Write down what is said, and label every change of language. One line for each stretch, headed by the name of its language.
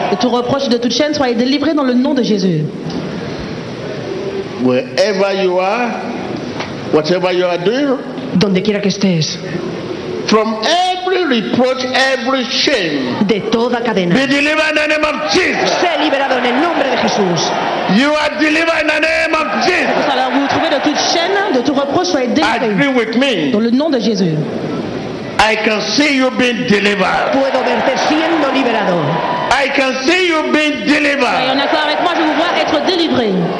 French: De tout reproche, de toute chaîne, soyez délivré dans le nom de Jésus.
English: Wherever you are, whatever you are doing.
Spanish: Donde quiera que estés.
English: From every reproach, every shame.
Spanish: De toda cadena.
English: Be delivered in the name of Jesus.
Spanish: Sé liberado en el nombre de Jesús.
English: You are delivered in the name of Jesus.
French: Alors vous trouvez de toute chaîne, de tout reproche, soyez délivré.
English: Agree with me.
French: Dans le nom de Jésus.
English: I can see you being delivered.
Spanish: Puedo verte siendo liberado.
English: I can see you being delivered.
French: Soyez en accord avec moi, je vous vois être délivré.